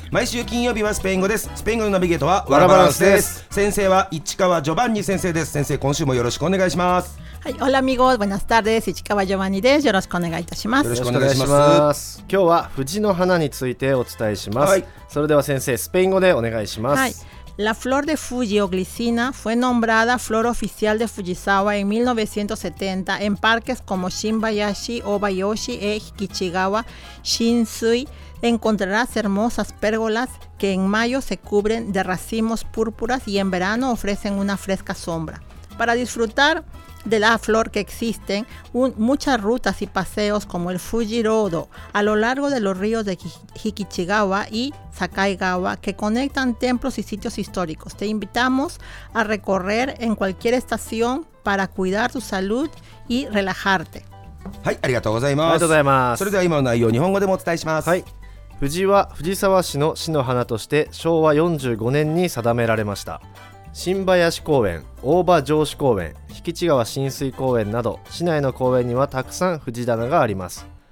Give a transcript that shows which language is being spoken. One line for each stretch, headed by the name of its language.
Japanese: 毎週金曜日はスペイン語です。スペイン語のナビゲートはワラバランスです。先生は市川ジョバンニ先生です。先生、今週もよろしくお願いします。はい、オラミゴー、ブナスタルです。市川ジョバンニです。よろしくお願いいたします。よろしくお願いします。今日は藤の花についてお伝えします。はい、それでは先生、スペイン語でお願いします。はい、
Spanish: La flor de Fuji o glicina fue nombrada flor oficial de Fujisawa en 1970 en parques como Shinbayashi, Obayashi e Hikichigawa Shinsui. Encontrarás hermosas pérgolas que en mayo se cubren de racimos púrpuras y en verano ofrecen una fresca sombra. Para disfrutar de la flor que existen muchas rutas y paseos como el Fuji Rodo a lo largo de los ríos de Hikichigawa y Sakaigawa que conectan templos y sitios históricos. Te invitamos a recorrer en cualquier estación para cuidar tu salud y relajarte.
Japanese: はい、ありがとうございます。ありがとうございます。それでは今の内容を日本語でもお伝えします。はい。藤は藤沢市の市の花として昭和45年に定められました。新林公園、大場城址公園、引地川親水公園など市内の公園にはたくさん藤棚があります。